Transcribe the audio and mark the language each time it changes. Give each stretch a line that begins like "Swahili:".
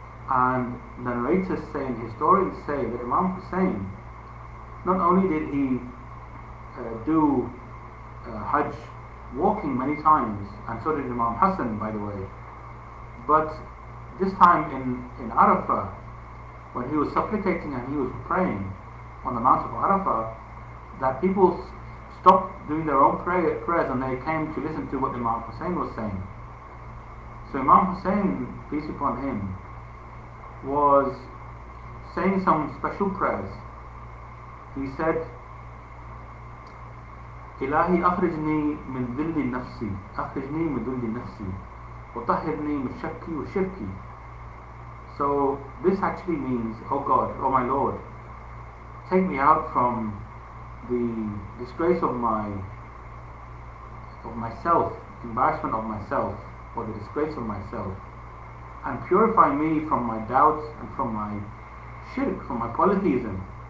English: And the narrators say, and historians say, that Imam Hussein, not only did he do Hajj walking many times, and so did Imam Hassan, by the way, but this time in Arafah, when he was supplicating and he was praying on the Mount of Arafah, that people stopped doing their own prayers and they came to listen to what Imam Hussein was saying. So Imam Hussein, peace upon him, was saying some special prayers. He said,
Arabic: إِلَهِ أَخْرِجْنِي مِنْ ذِلِّ نَفْسِي أَخْرِجْنِي مِنْ ذِلِّ نَفْسِي وَطَهِرْنِي مِنْ شَكِّي وَشِرْكِي.
English: So this actually means, oh God, oh my Lord, take me out from the disgrace of myself, embarrassment of myself, or the disgrace of myself, and purify me from my doubts and from my shirk, from my polytheism.